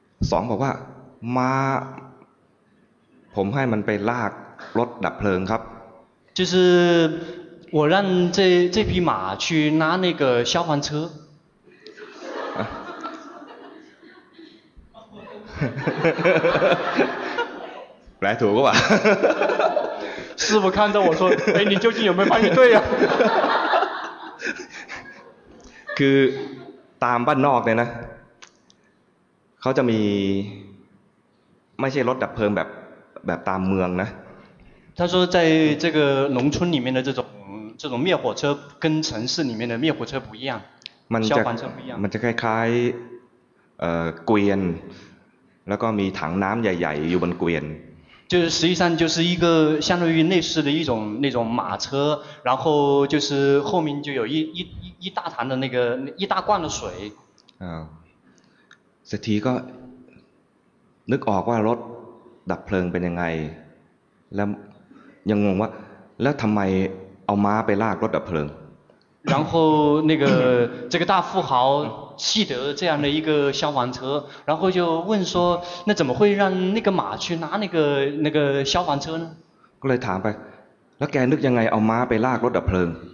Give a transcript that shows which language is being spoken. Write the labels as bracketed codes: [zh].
[th] สองบอกว่าม้าผมให้มันไปลากรถดับเพลิงครับ [zh] 就是我让这匹马去拉那个消防车来土吧师傅看着我说哎你究竟有没有翻译对啊 [th] คือตามบ้านนอกเนี่ยนะเขาจะมีไม่ใช่รถดับเพลิงแบบตามเมืองนะ [zh] 他说在这个农村里面的这种灭火车跟城市里面的灭火车不一样 [th] มันจะมันจะคล้ายๆเกวียนแล้วก็มีถังน้ําใหญ่ๆอยู่บนเกวียน [zh] 就是实际上就是一个相当于类似的一种那种马车然后就是后面就有一大坛的那个一大罐的水 [th] สักทีก็นึกออกว่ารถดับเพลิงเป็นยังไงแล้วยังงงว่าแล้วทำไมเอาม้าไปลากรถดับเพลิง [zh] 然后那个这个大富豪气得这样的一个消防车然后就问说那怎么会让那个马去拉那个消防车呢 [th] ก็เลยถามไปแล้วแกนึกยังไงเอาม้าไปลากรถดับเพลิง